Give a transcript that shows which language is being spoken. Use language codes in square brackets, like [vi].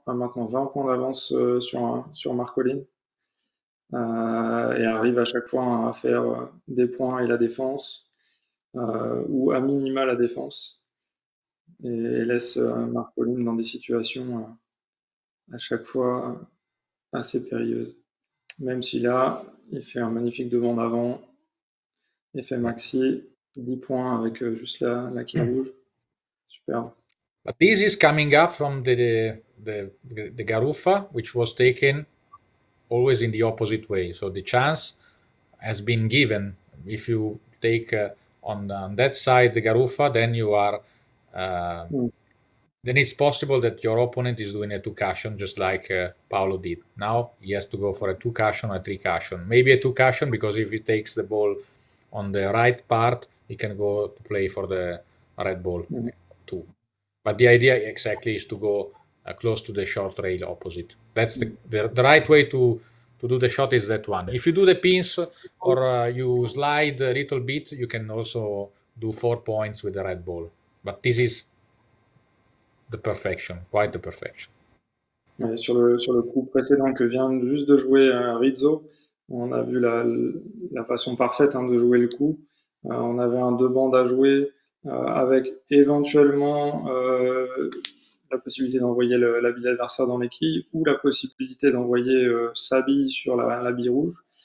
[fr] On a maintenant 20 points d'avance sur Marcolin. Et arrive à chaque fois à faire des points et la défense, ou à minima la défense, et laisse Marcolin dans des situations à chaque fois assez périlleuses. Même si là, il fait un magnifique devant d'avant, effet maxi, 10 points avec juste la quille rouge. Super. [en] But this is coming up from the Garuffa, which was taken always in the opposite way. So the chance has been given. If you take on that side the Garuffa, then you are then it's possible that your opponent is doing a two cushion just like Paolo did. Now he has to go for a two cushion or a three cushion. Maybe a two cushion because if he takes the ball on the right part, he can go to play for the red ball too. But the idea exactly is to go close to the short rail opposite. That's the right way to do the shot is that one. If you do the pins or you slide a little bit, you can also do 4 points with the red ball. But this is the perfection, quite the perfection. [fr] Ouais, sur le coup précédent que vient juste de jouer Rizzo, on a vu la façon parfaite hein, de jouer le coup. On avait un deux bandes à jouer avec éventuellement la possibilité d'envoyer la bille adversaire dans les quilles ou la possibilité d'envoyer sa bille sur la bille rouge.